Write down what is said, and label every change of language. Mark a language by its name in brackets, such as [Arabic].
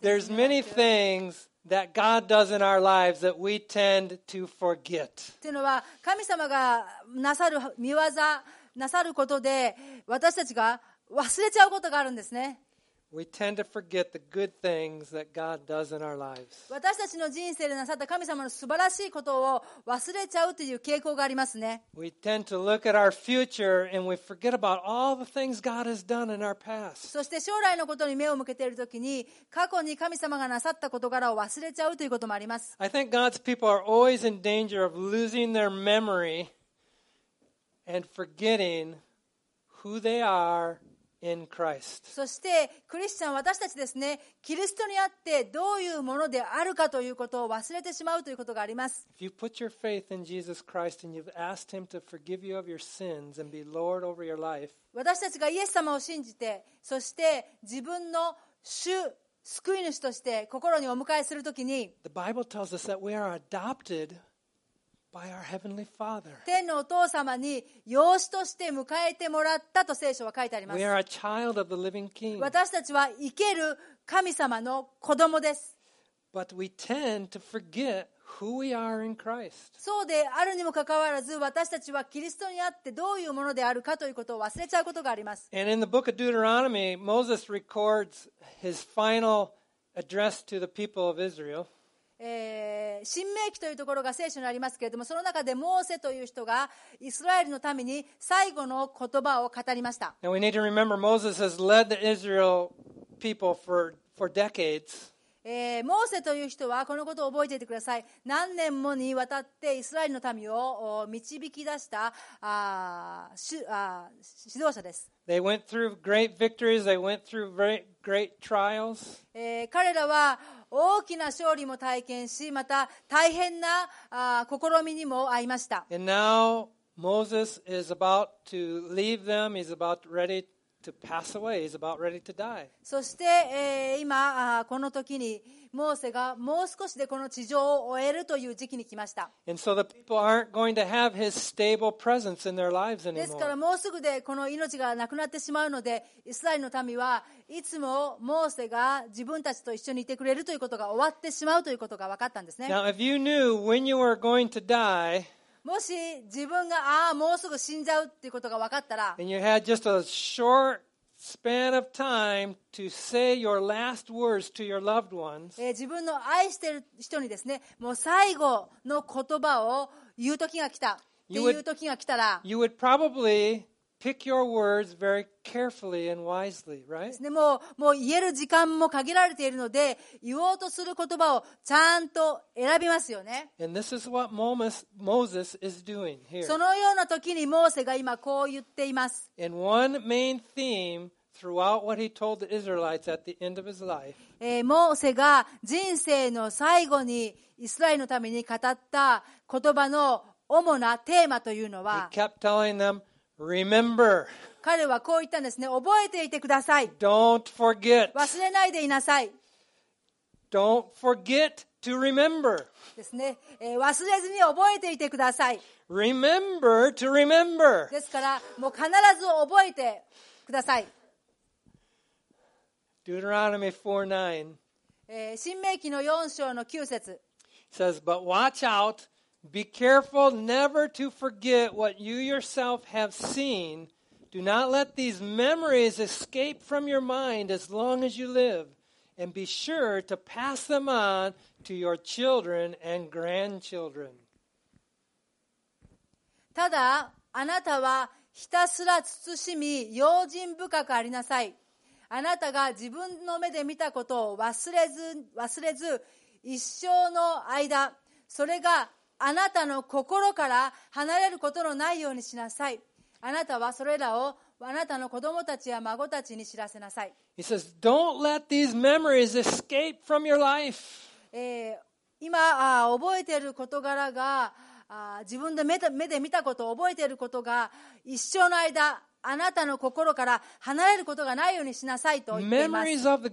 [English] There's many things that God does in our lives that we tend to forget. [Japanese] っていうのは神様がなさる御業なさることで私たちが忘れちゃうことがあるんですね。 [English] We tend to forget the good things that God does in our lives. [Japanese] 私たちの人生でなさった神様の素晴らしいことを忘れちゃうという傾向がありますね。 [English] We tend to look at our future and we forget about all the things God has done in our past. [Japanese] そして将来のことに目を向けているときに、過去に神様がなさった事柄を忘れちゃうということもあります。 [English] I think God's people are always in danger of losing their memory and forgetting who they are. In Christ. [Japanese] そしてクリスチャン私たちですね、キリストにあってどういうものであるかということを忘れてしまうということがあります。 [English] If you put your faith in Jesus Christ and you've asked him to forgive you of your sins and be Lord over your life, [Japanese] 私たちがイエス様を信じて、そして自分の主救い主として心にお迎えするときに、 [English] The Bible tells us that we are adoptedBy our heavenly Father. [Japanese] 天のお父様に養子として迎えてもらったと聖書は書いてあります。 [English] We are a child of the living King. [Japanese] 私たちは生ける神様の子供です。 [English] But we tend to forget who we are in Christ. [Japanese] そうであるにもかかわらず、私たちはキリストにあってどういうものであるかということを忘れちゃうことがあります。 [English] And in the book of Deuteronomy, Moses records his final address to the people of Israel. [Japanese] 申命記というところが聖書にありますけれども、その中でモーセという人がイスラエルのために最後の言葉を語りました。 [English] Now we need to remember Moses has led the Israel people for decades. [Japanese] モーセという人はこのことを覚えていてください。何年もにわたってイスラエルの民を導き出した指導者です。 [English] They went through great victories. They went through great trials. [Japanese] 彼らは大きな勝利も体験し、また大変な試みにも遭いました。 [English] And now Moses is about to leave them. He's about ready to pass away. He's about ready to die. [Japanese] そして今この時にモーセがもう少しでこの地上を終えるという時期に来ました。 [English] And so the people aren't going to have his stable presence in their lives anymore. [Japanese] ですからもうすぐでこの命がなくなってしまうので、イスラエルの民はいつもモーセが自分たちと一緒にいてくれるということが終わってしまうということが分かったんですね。 [English] Now if you knew when you were going to die, [Japanese] もし自分がああもうすぐ死んじゃうということが分かったら、 [English] and you had just a shortspan of time to say your last words to your loved ones. [Japanese] 自分の愛してる人にですね、もう最後の言葉を言う時が来た。 [English] You would probably pick your words very carefully and wisely, right? [Japanese] ですね、もう言える時間も限られているので、言おうとする言葉をちゃんと選びますよね。 [English] And this is what Moses is doing here. [Japanese] そのような時にモーセが今こう言っています。 [English] And one main theme throughout what he told the Israelites at the end of his life. [Japanese] モーセが人生の最後にイスラエルのために語った言葉の主なテーマというのは、 [English] He kept telling them,Remember. [Japanese] 彼はこう言ったんですね。覚えていてください。 [English] Don't forget. [Japanese] 忘れないでいなさい。 [English] Don't forget to remember. [Japanese] ですね。忘れずに覚えていてください。 [English] Remember to remember. [Japanese] ですから、もう必ず覚えてください。 [English] Deuteronomy 4:9. [Japanese] 申命記の4章の9節。 [English] Says, but watch out. Be careful never to forget what you yourself have seen. Do not let these memories escape from your mind as long as you live. And be sure to pass them on to your children and grandchildren. [Japanese] ただあなたはひたすら慎み用心深くありなさい。あなたが自分の目で見たことを忘れず一生の間それがあなたの心から離れることのないようにしなさい。あなたはそれらをあなたの子供たちや孫たちに知らせなさい。 [English] He says, "Don't let these memories escape from your life." [Japanese] 今覚えている事柄が自分で目で見たことを覚えていることが一生の間あなたの心から離れることがないようにしなさいと言っています。